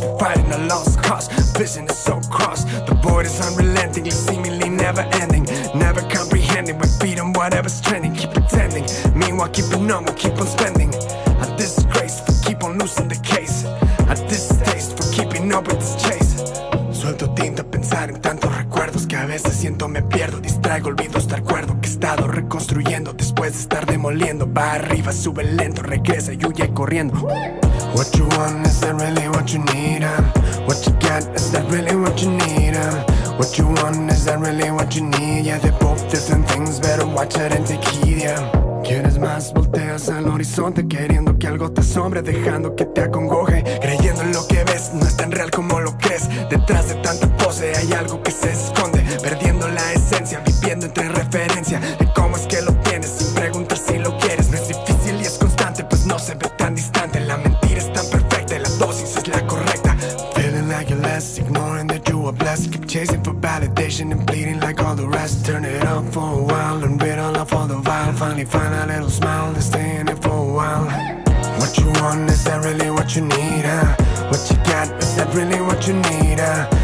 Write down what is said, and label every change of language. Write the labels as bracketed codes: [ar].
[en] We're fighting a lost cause, vision is so cross. The void is unrelentingly, seemingly never ending. Never comprehending, we're beating whatever's trending. Keep pretending, meanwhile keep it normal, keep on spending. A disgrace, we keep on losing the case. A distaste for keeping up with this chase. [es] Suelto tinta, pensar en tantos recuerdos que a veces siento me pierdo. Distraigo, olvido estar cuerdo que he estado reconstruyendo después de estar demoliendo. Va arriba, sube lento, regresa y huye corriendo. [en] What you want, is that really what you need, huh? What you got, is that really what you need, huh? What you want, is that really what you need? Yeah, they're both different things, better watch out and take heed, yeah. [es] Quieres más, volteas al horizonte, queriendo que algo te asombre, dejando que te acongoje. Creyendo en lo que ves, no es tan real como lo crees. Detrás de tanta pose hay algo que se esconde. Perdiendo la esencia, viviendo entre referencia de cómo es que lo tienes, sin preguntar si lo quieres. No es difícil y es constante, pues no se ve tan distante. La mentira es tan perfecta y la dosis es la correcta. [en] Feeling like you're less, ignoring that you are blessed. Keep chasing for validation and bleeding like all the rest. Turn it up for a while and riddle off all the vile. Finally find a little smile to stay in it for a while. What you want, is that really what you need, huh? What you got, is that really what you need, huh?